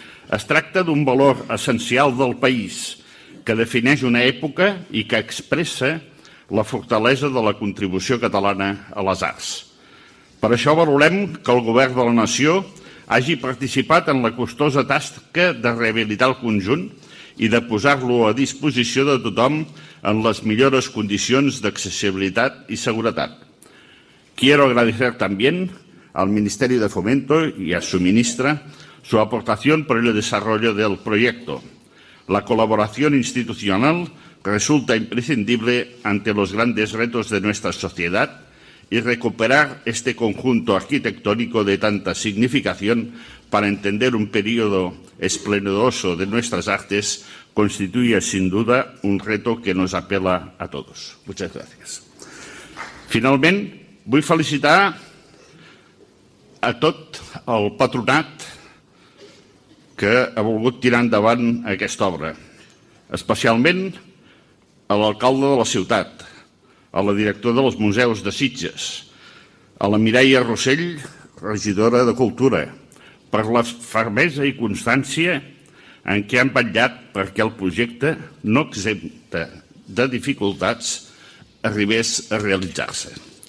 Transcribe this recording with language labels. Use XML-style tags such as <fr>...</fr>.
<ca>Es tracta d'un valor essencial del país que defineix una època i que expressa la fortalesa de la contribució catalana a les arts. Per això valorem que el govern de la nació hagi participat en la costosa tasca de rehabilitar el conjunt i de posar-lo a disposició de tothom en les millores condicions d'accessibilitat i seguretat.</ca> <es>Quiero agradecer también al Ministerio de Fomento y a su ministra su aportación por el desarrollo del proyecto. La colaboración institucional resulta imprescindible ante los grandes retos de nuestra sociedad y recuperar este conjunto arquitectónico de tanta significación para entender un periodo esplendoroso de nuestras artes constituye sin duda un reto que nos apela a todos. Muchas gracias.</es> <ca>Finalment, vull felicitar a tot el patronat que ha volgut tirar endavant aquesta obra, especialment a l'alcalde de la ciutat, a la directora dels museus de Sitges, a la Mireia Rossell, regidora de Cultura, per la fermesa i constància en què han vetllat perquè el projecte, no exempte de dificultats, arribés a realitzar-se.</ca>